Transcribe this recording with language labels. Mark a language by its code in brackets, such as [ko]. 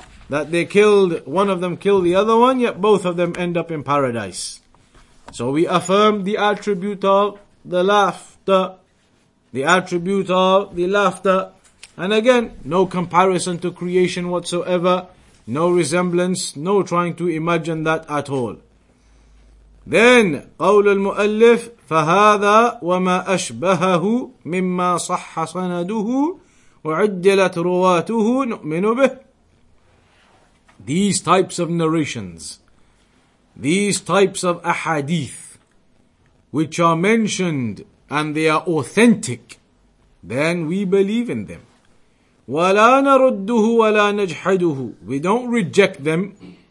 [en] That they killed, one of them killed the other one, yet both of them end up in paradise. So we affirm the attribute of the laughter, the attribute of the laughter. And again, no comparison to creation whatsoever, no resemblance, no trying to imagine that at all. Then, [ar] قول المؤلف فهذا وما أشبهه مما صح سنده وعدلت رواته نؤمن به. [en] These types of narrations, these types of ahadith, which are mentioned and they are authentic, then we believe in them. [ar] وَلَا نَرُدُّهُ وَلَا نَجْحَدُهُ. [en] We don't reject them.